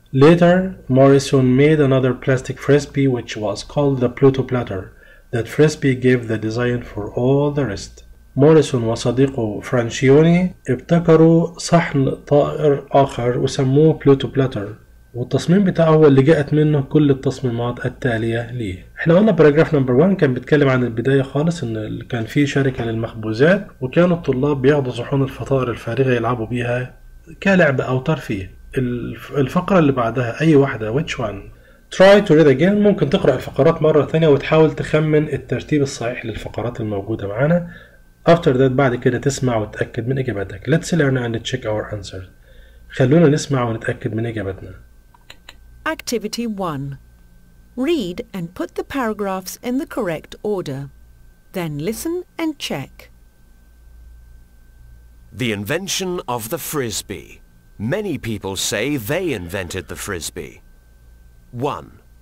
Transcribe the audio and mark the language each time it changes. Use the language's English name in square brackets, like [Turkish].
[English] Later, Morrison made another plastic frisbee which was called the Pluto Platter. That frisbee gave the design for all the rest. [Arabic] موريسون وصديقه فرانشيوني ابتكروا صحن طائر آخر وسموه Pluto Platter، والتصميم بتاعه هو اللي جاءت منه كل التصميمات التالية ليه. احنا قلنا باراجراف نمبر 1 كان بيتكلم عن البداية خالص، ان كان في شركة للمخبوزات وكانوا الطلاب بياخدوا صحون الفطائر الفارغة يلعبوا بيها كلعب او ترفيه. الفقرة اللي بعدها اي واحدة؟ [English] which one؟ try to read again. [Arabic] ممكن تقرأ الفقرات مرة ثانية وتحاول تخمن الترتيب الصحيح للفقرات الموجودة معنا. [English] after that [Arabic] بعد كده تسمع وتأكد من اجاباتك. [English] let's learn and check our answers. [Arabic] خلونا نسمع ونتأكد من إجابتنا. [English] Activity 1. Read and put the paragraphs in the correct order. Then listen and check. The invention of the frisbee. Many people say they invented the frisbee. 1.